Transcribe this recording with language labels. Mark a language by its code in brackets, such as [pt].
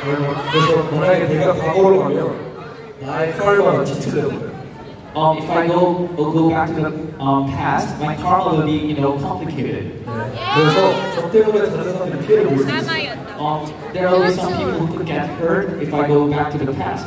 [ko] 그래서 만약에 내가 과거로 가면 나의 카르마가 지체되는 거예요. [en] If I go back to the past, my karma will be, you know, complicated. Yeah. Yeah. [ko] 그래서 저 때문에 다른 사람들이 피해를 볼 수 있어요. [en] There are always some people who could get hurt if I go back to the past.